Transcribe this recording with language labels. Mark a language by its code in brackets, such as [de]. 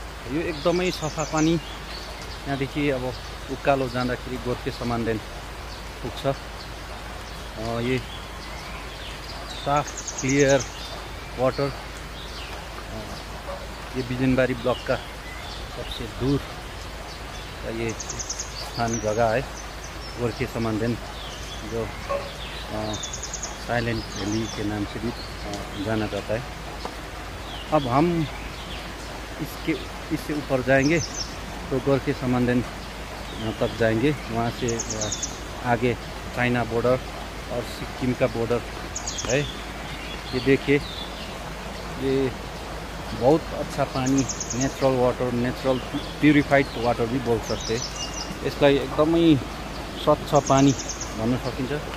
[ne] यो एकदमै सफा पानी, यहाँदेखि अब उकालो जाँदाखेरि गोर्खे समानदेन पुग्छ। [hi] ये साफ क्लियर वाटर, ये बिजनबारी ब्लक का सबसे दूर का ये स्थान जगह है गोर्खे समानदेन, जो साइलेंट वैली के नाम से भी जाना जाता है। अब हम इससे ऊपर जाएंगे तो गोर्खे समानदेन तक जाएंगे। वहाँ से आगे चाइना बॉर्डर और सिक्किम का बॉर्डर है। ये देखिए, ये बहुत अच्छा पानी, natural water, natural purified water भी बोल सकते। [ne] यसलाई एकदमै स्वच्छ पानी भन्न सकिन्छ।